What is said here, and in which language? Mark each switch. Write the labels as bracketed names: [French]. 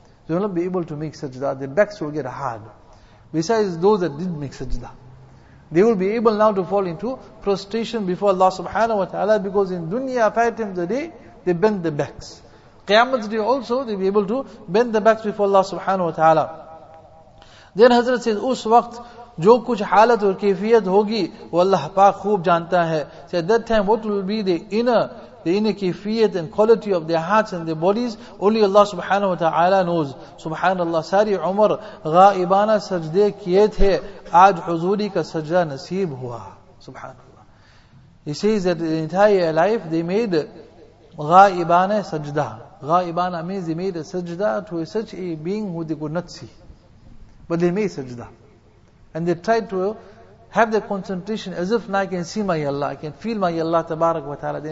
[English] They will not be able to make sajda, their backs will get hard. Besides those that did make sajda, they will be able now to fall into prostration before Allah subhanahu wa ta'ala, because in dunya, 5 times a day, they bend their backs. Qiyamah's day also, they'll be able to bend the backs before Allah subhanahu wa ta'ala. Then Hazrat says, [Urdu] us waqt, جو کچھ حالت اور کیفیت ہوگی وہ اللہ پاک خوب جانتا ہے. [English] So at that time what will be the inner کیفیت and quality of their hearts and their bodies, only Allah subhanahu wa ta'ala knows. [Urdu] Subhanallah, ساری عمر غائبانہ سجدے کیے تھے, آج حضوری کا سجدہ نصیب ہوا. [English] Subhanallah, he says that the entire life they made [Urdu] غائبانہ سجدہ. [English] غائبانہ means they made a سجدہ to such a being who they could not see, but they made سجدہ. And they tried to have their concentration as if now I can see my Allah, I can feel my Allah tabarak wa ta'ala.